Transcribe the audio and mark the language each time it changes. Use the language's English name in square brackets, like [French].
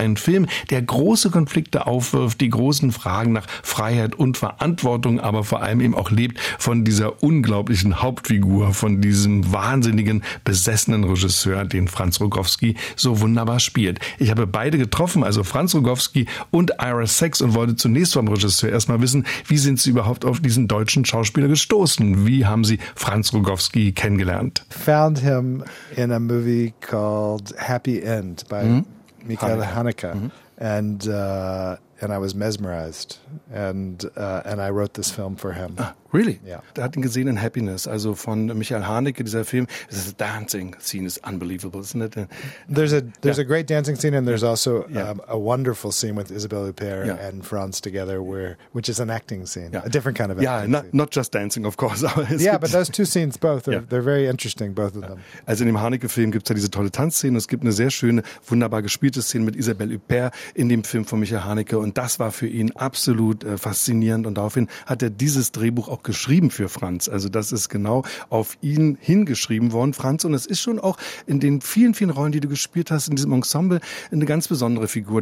[German] Ein Film, der große Konflikte aufwirft, die großen Fragen nach Freiheit und Verantwortung, aber vor allem eben auch lebt von dieser unglaublichen Hauptfigur, von diesem wahnsinnigen, besessenen Regisseur, den Franz Rogowski so wunderbar spielt. Ich habe beide getroffen, also Franz Rogowski und Ira Sachs, und wollte zunächst vom Regisseur erstmal wissen, wie sind Sie überhaupt auf diesen deutschen Schauspieler gestoßen? Wie haben Sie Franz Rogowski kennengelernt? [English] Found him in a movie called Happy End by Michael Haneke. And I was mesmerized. And I wrote this film for him. Ah, really? Yeah. [German] Der hat ihn gesehen in Happiness, also von Michael Haneke, dieser Film. [English] This is a dancing scene is unbelievable, isn't it? There's a great dancing scene, and there's also a wonderful scene with Isabelle Huppert and Franz together, which is an acting scene, a different kind of acting scene. Yeah, not just dancing, of course. but those two scenes, they're very interesting, both of them. [German] Also in dem Haneke-Film gibt es ja diese tolle Tanzszene. Es gibt eine sehr schöne, wunderbar gespielte Szene mit Isabelle Huppert in dem Film von Michael Haneke. Und das war für ihn absolut faszinierend. Und daraufhin hat er dieses Drehbuch auch geschrieben für Franz. Also das ist genau auf ihn hingeschrieben worden, Franz. Und es ist schon auch in den vielen, vielen Rollen, die du gespielt hast, in diesem Ensemble, eine ganz besondere Figur.